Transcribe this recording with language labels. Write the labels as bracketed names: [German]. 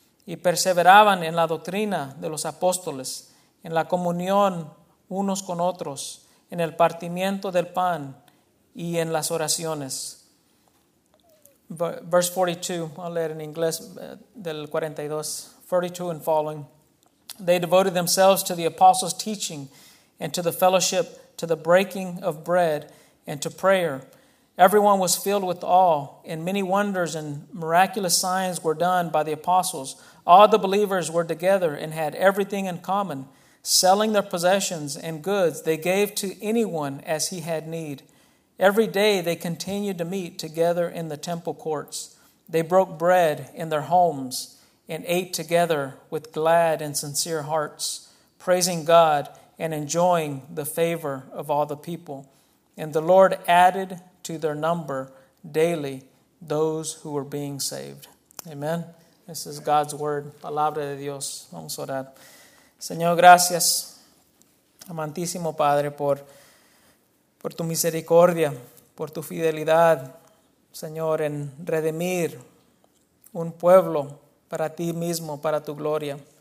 [Spanish] Y perseveraban en la doctrina de los apóstoles, en la comunión unos con otros, en el partimiento del pan y en las oraciones. [English] Verse 42, I'll [Spanish] leer en inglés del [English] 42, 42 and following. They devoted themselves to the apostles' teaching and to the fellowship, to the breaking of bread and to prayer. Everyone was filled with awe, and many wonders and miraculous signs were done by the apostles. All the believers were together and had everything in common. Selling their possessions and goods, they gave to anyone as he had need. Every day they continued to meet together in the temple courts. They broke bread in their homes and ate together with glad and sincere hearts, praising God and enjoying the favor of all the people. And the Lord added to their number daily those who were being saved. [Spanish] Amen. [English] This is God's word, [Spanish] palabra de Dios. Vamos a orar. Señor, gracias, amantísimo Padre, por tu misericordia, por tu fidelidad, Señor, en redimir un pueblo para ti mismo, para tu gloria.